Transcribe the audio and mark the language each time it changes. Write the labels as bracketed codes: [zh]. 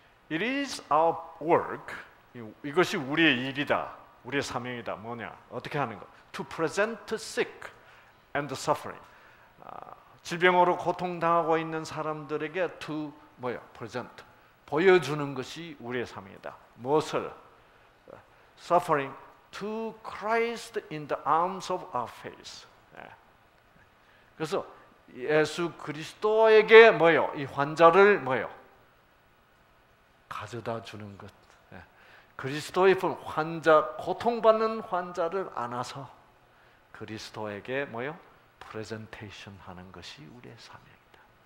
[en] It is our work [ko] 이것이 우리의 일이다, 우리의 사명이다. 뭐냐? 어떻게 하는 거? [en] To present the sick and the suffering. [ko] 질병으로 고통당하고 있는 사람들에게 to 뭐요? present 보여주는 것이 우리의 삶이다. 무엇을? [en] suffering to Christ in the arms of our faith. [ko] 그래서 예수 그리스도에게 뭐요? 이 환자를 뭐요? 가져다 주는 것. 그리스도의 품, 환자, 고통받는 환자를 안아서 그리스도에게 뭐요? 프레젠테이션 하는 것이 우리의 사명이다.